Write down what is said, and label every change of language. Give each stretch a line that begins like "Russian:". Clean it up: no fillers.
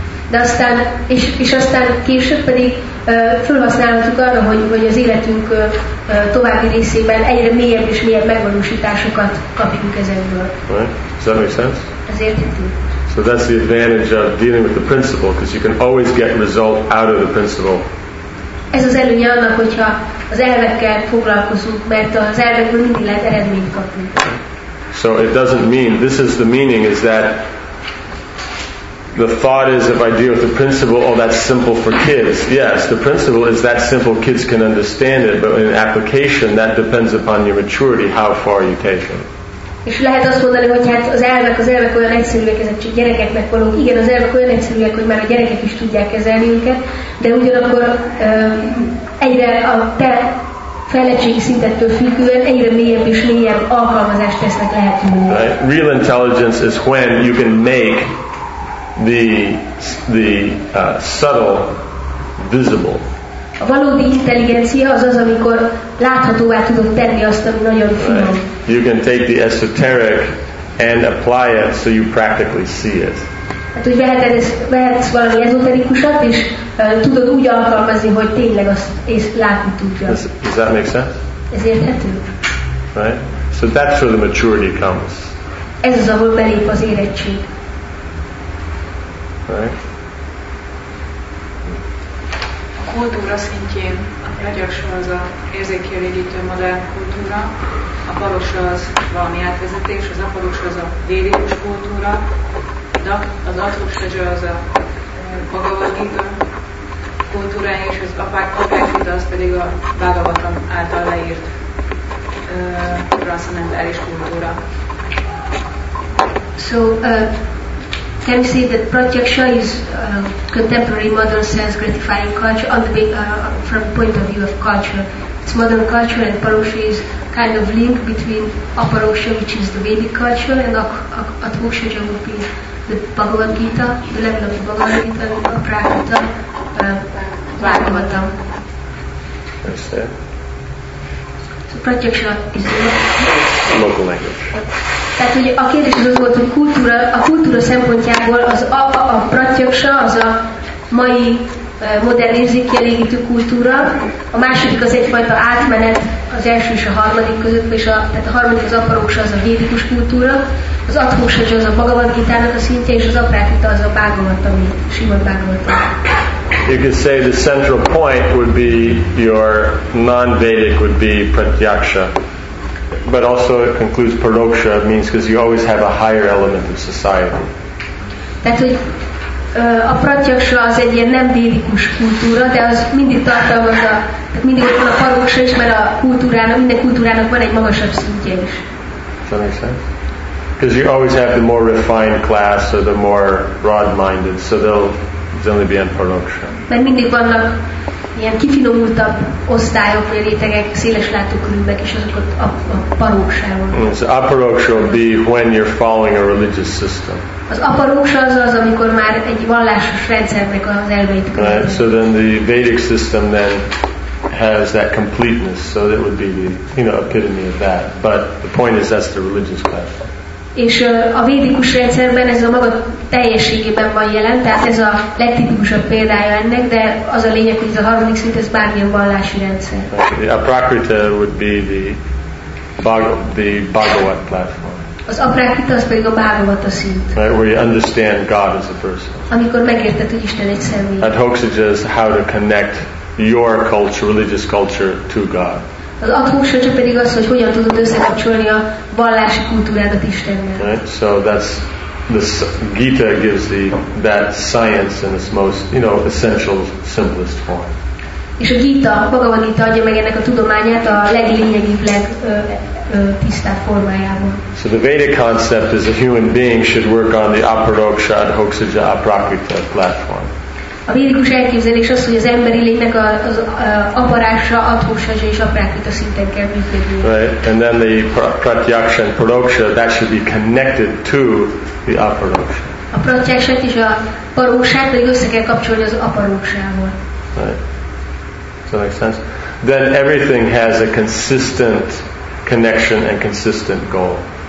Hungarian: De aztán, és aztán később pedig felhasználhatjuk arra, hogy az életünk további részében egyre mélyebb és mélyebb megvalósításokat kapjunk ezekből.
English: Right. Does that make sense?
Hungarian: Ezért értünk.
English: So that's the advantage of dealing with the principle, because you can always get result out of the principle.
Hungarian: Ez az előnye annak, hogyha az elvekkel foglalkozunk, mert az elvekből mindig lehet eredményt kapni.
English: So it doesn't mean, this is the meaning, is that the thought is, if I deal with the principle, oh, that's simple for kids. Yes, the principle is that simple, kids can understand it, but in application, that depends upon your maturity, how far you take it.
Hungarian: És lehet azt mondani, hogy hát az elvek olyan egyszerűek, ezek csak gyerekeknek való. Igen, az elvek olyan egyszerűek, hogy már a gyerekek is tudják kezelni őket, de ugyanakkor egyre a te fejlettségi szintettől függően egyre mélyebb és mélyebb alkalmazást tesznek lehetővé.
English: Right. Real intelligence is when you can make the subtle visible.
Hungarian: A valódi intelligencia az, amikor láthatóvá tudod tenni azt, ami nagyon finom.
English: Right. You can take the esoteric and apply it so you practically see it.
Hungarian: Hát, hogy vehetsz valami ezoterikusat, és tudod úgy alkalmazni, hogy tényleg azt látni tudja.
English: Does that make sense?
Hungarian: Ez érthető.
English: Right? So that's where the maturity comes.
Hungarian: Ez az, ahol belép az érettség.
English: Right.
Hungarian: A kultúra szintjén a legyorsabb az a érzékielégítő modern kultúra, a valós az valami átvezetés, az apalós az a védikus kultúra, az atvokszegy az a bagavadgita kultúra, és az apákita az pedig a bagavatam által leírt transzendentális kultúra.
English: So, can we say that Pratyaksha is contemporary modern sense gratifying culture on the from point of view of culture? It's modern culture, and Parosha is kind of link between Aparosha, which is the Vedic culture, and Atmoksha would be the Bhagavad Gita, the level of the Bhagavad Gita, and Aprakrita, Bhagavatam. So Pratyaksha is the local language.
Hungarian: Tehát, hogy a kérdés az volt, hogy a kultúra szempontjából az a pratyaksa, az a mai modern érzékielégítő kultúra, a második az egyfajta átmenet az első és a harmadik között, és tehát a harmadik az aparóksa, az a védikus kultúra, az atmoksa az a Bhagavad Gitának a szintje, és az aprákita az a bhagavatami, sima bhagavatam.
English: You could say the central point would be your non-Vedic would be pratyaksa. But also it concludes paroksha means because you always have a higher element of society.
Hungarian: Tehát, hogy a pratyaksa az egy ilyen nem védikus kultúra, de az mindig tartalmazza, tehát mindig ott van a paroksa is, mert a kultúrának, minden kultúrának van egy magasabb szintje is.
English: Does that make sense? Because you always have the more refined class or the more broad-minded, so they'll generally be in paroksha.
Hungarian: Mert mindig vannak ilyen kifinomultabb osztályok, vagy rétegek, széles látókörűbbek, és azok ott a parókságon.
English: So aparóksa will be when you're following a religious system.
Hungarian: Az aparóksa az, amikor már egy vallásos rendszernek az elveit követ.
English: Right. So then the Vedic system then has that completeness, so that would be the, you know, epitome of that. But the point is that's the religious platform.
Hungarian: És a védikus rendszerben ez a maga teljességében van jelen, tehát ez a legtipikusabb példája ennek, de az a lényeg, hogy ez a harmadik szint, ez bármilyen vallási rendszer.
English: A prakrita would be the Bhagavat platform.
Hungarian: Az aprakrita az pedig a Bhagavata szint.
English: Right, where you understand God as a person.
Hungarian: Amikor megérted, hogy Isten egy személy.
English: That hoksage is how to connect your culture, religious culture to God.
Hungarian: Az atmoksa pedig az, hogy hogyan tudod összekapcsolni a vallási kultúrádat Istennel.
English: Right, so that's the Gita gives the that science in its most, you know, essential, simplest form.
Hungarian: És a Gita, a Bhagavad Gita adja meg ennek a tudományát a leglényegibb, legtisztább formájában.
English: So the Vedic concept is a human being should work on the aparoksa, adhoksaja, aprakrita platform.
Hungarian: A védikus elképzelés az, hogy az emberi lénynek az aparása, adhoksaja és aprakrita szinten kell működni.
English: Right. And then the pratyaksa and paroksa, that should be connected to the aparoksa.
Hungarian: A pratyaksát és a paroksát pedig össze kell kapcsolni az aparoksával.
English: Right. Does that make sense? Then everything has a consistent connection and consistent goal.